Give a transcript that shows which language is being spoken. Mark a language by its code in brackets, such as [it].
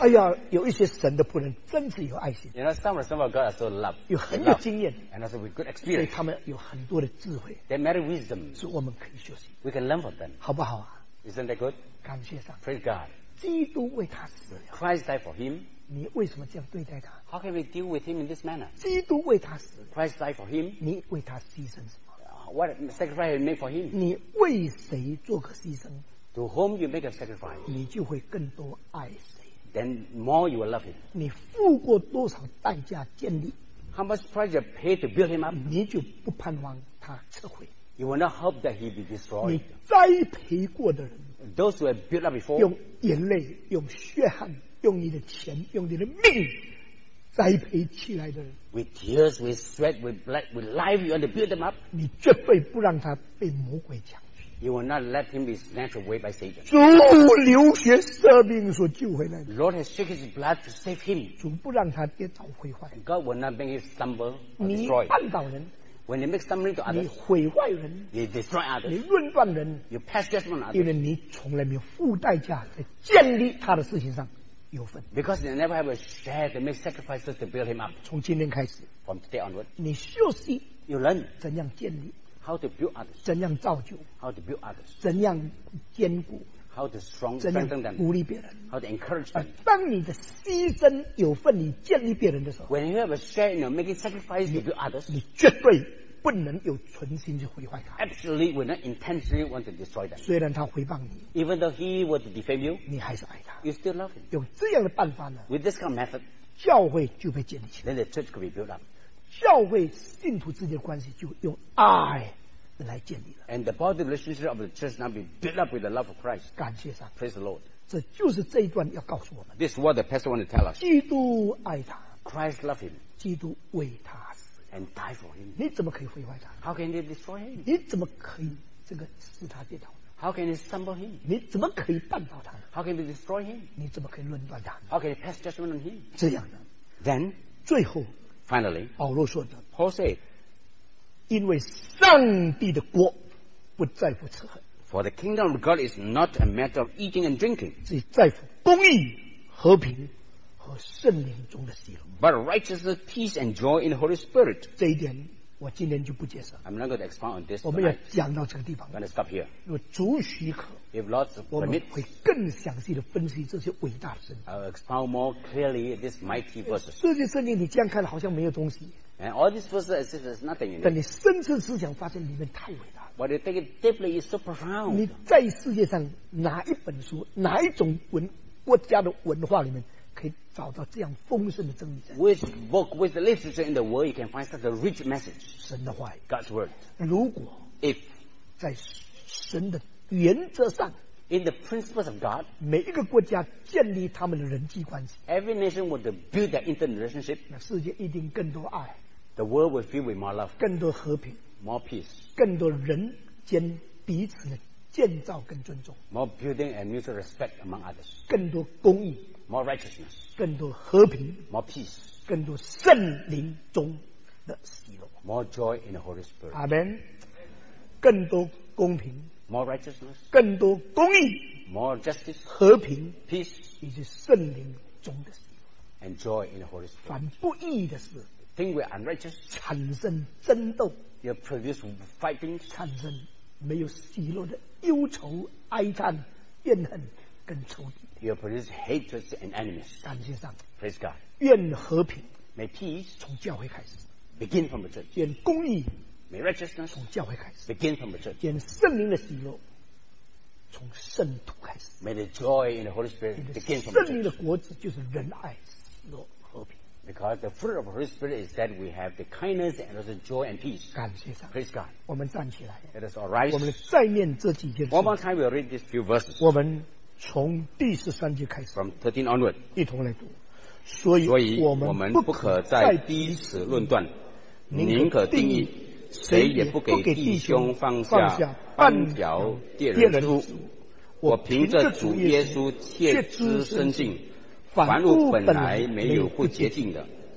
[zh] 哎呀有一些神的仆人真是有爱心 [en] you know, some of God are so loved, [zh] 有很有经验 [en] and also with good experience. [zh] 所以他们有很多的智慧 [en] they marry wisdom, [zh] 是我们可以学习 [en] we can learn from them. [zh] 好不好啊 [en] isn't that good? [zh] 感谢上帝 [en] praise God. [zh] 基督为他死了 [en] Christ died for him. [zh] 你为什么这样对待他 [en] how can we deal with him in this manner? [zh] 基督为他死了 [en] Christ died for him. [zh] 你为他牺牲什么 [en] What sacrifice you make for him? [zh] 你为谁做个牺牲 [en] To whom you make a sacrifice? [zh] 你就会更多爱谁 [en] Then more you will love him. [zh] 你付过多少代价建立 [en] How much price you pay to build him up? [zh] 你就不盼望他撤回 [en] You will not hope that he be destroyed. [zh] 你栽培过的人 [en] Those who have built up before [zh] 用眼泪用血汗用你的钱用你的命栽培起来的人 [en] with tears, with sweat, with blood, with life, you want to build them up. [zh] 你绝对不让他被魔鬼抢去。 [en] You will not let him be snatched away by Satan. [zh] 主流血舍命所救回来的。 [en] Lord has shed his blood to save him. [zh] 主不让他跌倒毁坏。 [en] God will not make him stumble or destroy. [zh] 你绊倒人。 [en] When you make stumbling to others, [zh] 你毁坏人。 [en] You destroy others. [zh] 你论断人。 [en] You pass judgment on others. [zh] 因为你从来没有付代价在建立他的事情上。 [en] Because they never have a share to make sacrifices to build him up. [zh] 从今天开始 [en] from today onward, [zh] 你休息 [en] you learn [zh] 怎样建立 [en] how to build others, [zh] 怎样造就 [en] how to build others, [zh] 怎样坚固 [en] how to strengthen them, [zh] 鼓励别人 [en] how to encourage them. [zh] 当你的牺牲有份，你建立别人的时候 [en] when you have a share in making sacrifices to build others, [zh] 你绝对不能有存心去毁坏他。 [en] Absolutely, we're not intentionally want to destroy them. [zh] 虽然他回谤你 [en] ，even though he would defame you， [zh] 你还是爱他。 [en] You still love him. [zh] 有这样的办法呢 [en] ？With this kind of method， [zh] 教会就被建立起来。 [en] Then the church could be built up. [zh] 教会信徒之间的关系就用爱来建立了。 [en] And the body relationship of the church now be built up with the love of Christ. [zh] 感谢上。 [en] Praise the Lord. [zh] 这就是这一段要告诉我们。 [en] This is what the pastor want to tell us. [zh] 基督爱他。 [en] Christ loved him. [zh] 基督为他。 [en] And die for him. [zh] 你怎么可以毁坏他？ [en] How can you destroy him? [zh] 你怎么可以这个使他跌倒？ [en] How can you stumble him? [zh] 你怎么可以绊倒他？ [en] How can you destroy him? [zh] 你怎么可以论断他？ [en] How can you pass judgment on him? [zh] 这样的。 [en] Then, [zh] 最后 [en] finally, [zh] 保罗说的。 [en] Paul said, [zh] 因为上帝的国不在乎吃喝。 [en] For the kingdom of God is not a matter of eating and drinking. [zh] 只在乎公义、和平。和圣灵中的喜乐 [en] But righteousness, peace and joy in the Holy Spirit [zh] 这一点我今天就不解释 [en] I'm not going to expound on this [zh] 我们要讲到这个地方 [en] I'm going to stop here [zh] 如果主许可 [en] If Lord permits [zh] 我们会更详细地分析这些伟大的圣经 [en] I'll expound more clearly this mighty verse [zh] 这些圣经你这样看好像没有东西 [en] And all these verses as if there's nothing in it [zh] 但你深层思想发现里面太伟大 [en] But you take it deeply is so profound [zh] 你在世界上哪一本书哪一种文国家的文化里面可以找到这样丰盛的真理。 [en] With book, with the literature in the world, you can find such a rich message. [zh] 神的话 [en] God's word. [zh] 如果 [en] if [zh] 在神的原则上 [en] in the principles of God, [zh] 每一个国家建立他们的人际关系 [en] every nation would build their internal relationship. [zh] 那世界一定更多爱 [en] the world would fill with more love. [zh] 更多和平 [en] more peace. [zh] 更多人间彼此的建造跟尊重 [en] more building and mutual respect among others. [zh] 更多公义。 [en] More righteousness, [zh] 更多和平 [en] more peace, [zh] 更多圣灵中的喜乐 [en] more joy in the Holy Spirit. [zh] Amen. 更多公平 [en] more righteousness, [zh] 更多公义 [en] more justice, [zh] 和平 [en] peace, [zh] 以及圣灵中的喜乐 [en] and joy in the Holy Spirit. [zh] 凡不义的事 [en] things were unrighteous, [zh] 产生争斗 [en] you produce fighting, [zh] 产生没有喜乐的忧愁、哀叹、怨恨跟仇敌。 [en] You produce hatred and enemies. [zh] 感谢上。 [en] Praise God. [zh] 愿和平。 [en] May peace. [zh] 从教会开始。 [en] Begin from the church. [zh] 愿公义。 [en] May righteousness. [zh] 从教会开始。 [en] Begin from the church. [zh] 愿圣灵的喜乐。从圣徒开始。 [en] May the joy in the Holy Spirit begin from the church. [zh] 圣灵的果子就是仁爱、喜乐、和平。 [en] Because the fruit of the Holy Spirit is that we have the kindness and also joy and peace. [zh] 感谢上。 [en] Praise God. [zh] 我们站起来。 [en] Let us arise. [zh] 我们再念这几节。 [en] One more time, we'll read these few verses. [zh] 我们。从第十三节开始 [en] From 13 onward, [zh] 一同来读所以我们不可再彼此论断宁可定义谁也不给弟兄放下半条戒人珠我凭着主耶稣切知身性凡物本来没有不洁净的